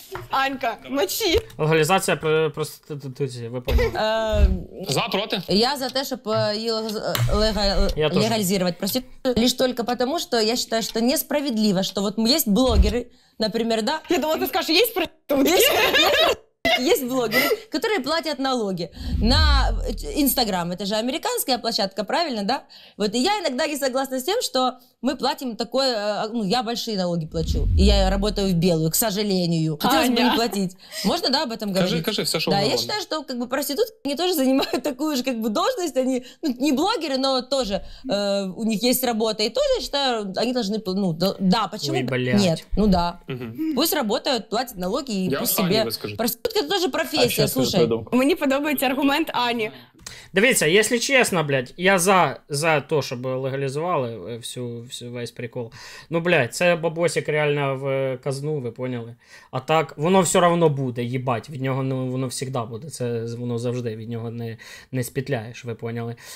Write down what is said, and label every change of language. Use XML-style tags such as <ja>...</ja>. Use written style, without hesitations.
<uk>Анька, мочі. Легалізація проституції, ви поняли. За, проти? Я за те, щоб її легалізувати. Проституцію. Лише тільки тому, що я вважаю, що несправедливо, що от є блогери, наприклад, да? Я думала, ти скажеш, є проститутки.</uk> <ru>Есть блогеры, которые платят налоги на Инстаграм. Это же американская площадка, правильно, да? Вот и я иногда не согласна с тем, что мы платим такое... Ну, я большие налоги плачу. И я работаю в белую, к сожалению. Хотелось бы не платить. Можно, да, об этом говорить? Скажи, все, что да, я считаю, что как бы проститутки, они тоже занимают такую же как бы должность. Они, ну, не блогеры, но тоже у них есть работа. И тоже, я считаю, они должны... Ну, да, почему? Ой, блядь. Нет, ну да. Угу. Пусть работают, платят налоги и я пусть себе...</ru> <uk>Це теж професія, слушай. Мені подобається аргумент Ані. Дивіться, якщо чесно, блядь, я за то, щоб легалізували весь прикол. Ну, блядь, це бабосик реально в казну, ви поняли? А так, воно все равно буде, їбать, від нього ну, воно завжди буде, це воно завжди, від нього не спітляєш, ви поняли?</uk>